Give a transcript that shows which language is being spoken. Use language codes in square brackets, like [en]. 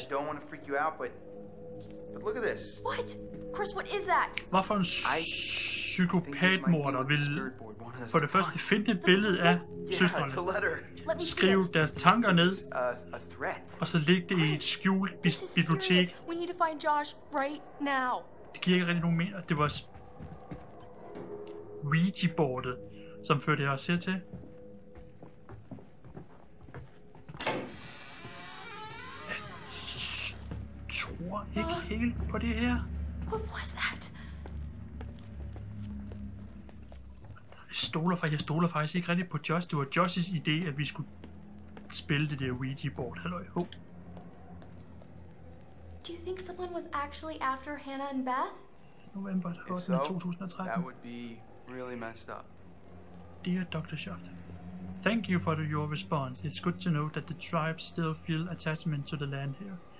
[en] I don't want to freak you out, but look at this. What? Chris, what is that? [da] Hvad for en psykopatmorder vil for det første finde et billede af søstrene, skrive deres tanker ned, og så lægge det i et skjult bibliotek. [en] We need to find Josh right now. [da] Det giver ikke rigtig nogen mening. Det var Ouija-boardet, som førte os hertil. Jeg tror ikke helt på det her. [en] What was that? [da] Jeg stoler faktisk ikke rigtigt på Josh. Det var Joshs idé, at vi skulle spille det der Ouija-board. Halløj, ho. [en] Do you think someone was actually after Hannah and Beth? November 2013. That would be really messed up. Dear Dr. Schott, thank you for your response. It's good to know that the tribe still feel attachment to the land here.